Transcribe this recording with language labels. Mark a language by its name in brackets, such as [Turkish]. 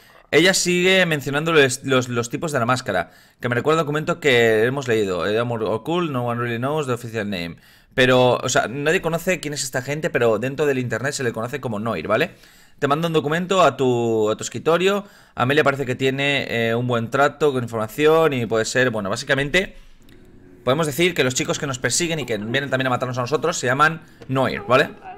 [Spanish] Ella sigue mencionando los tipos de la máscara, que me recuerda un documento que hemos leído. [English] Amor Ocult, no one really knows the official name. [Spanish] Pero, o sea, nadie conoce quién es esta gente, pero dentro del internet se le conoce como Noir, ¿vale? Te mando un documento a tu escritorio. Amelia parece que tiene un buen trato con información y puede ser... Bueno, básicamente, podemos decir que los chicos que nos persiguen y que vienen también a matarnos a nosotros se llaman Noir, ¿vale?